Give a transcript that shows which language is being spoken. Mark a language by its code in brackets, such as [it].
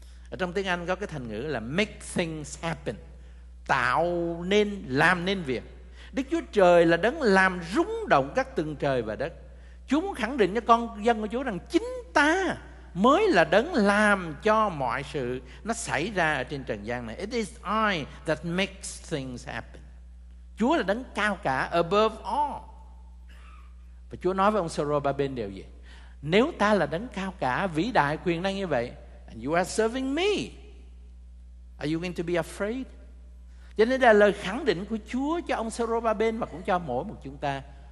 [vi] Ở trong tiếng Anh có cái thành ngữ là [en] make things happen, [vi] tạo nên, làm nên việc. Đức Chúa Trời là đấng làm rung động các tầng trời và đất. Chúa muốn khẳng định cho con dân của Chúa rằng chính ta mới là đấng làm cho mọi sự nó xảy ra ở trên trần gian này. [en] It is I that makes things happen. [vi] Chúa là đấng cao cả, [en] above all. [vi] Và Chúa nói với ông Sorobabin điều gì? Nếu ta là đấng cao cả, vĩ đại, quyền năng như vậy, [en] and you are serving me, are you going to be afraid? [vi] Cho nên là lời khẳng định của Chúa cho ông Sorobabin và cũng cho mỗi một chúng ta.